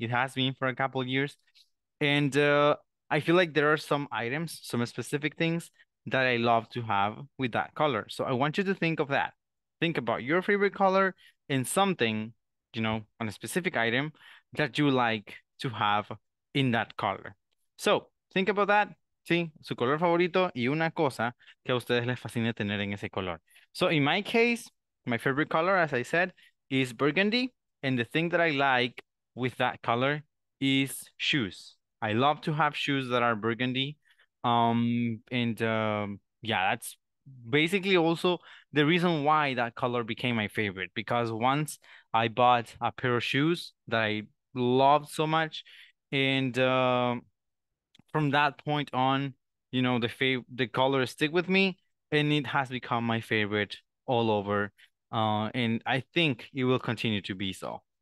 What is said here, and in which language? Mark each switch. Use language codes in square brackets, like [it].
[en] It has been for a couple of years. And I feel like there are some items, some specific things that I love to have with that color. So I want you to think of that. Think about your favorite color and something, you know, on a specific item that you like to have in that color. So think about that. [es] Sí, su color favorito y una cosa que a ustedes les fascine tener en ese color. [en] So in my case, my favorite color, as I said, is burgundy. And the thing that I like with that color is shoes. I love to have shoes that are burgundy. Yeah, that's basically also the reason why that color became my favorite, because once I bought a pair of shoes that I loved so much, and from that point on, you know, the color stick with me, and it has become my favorite all over, and I think it will continue to be so.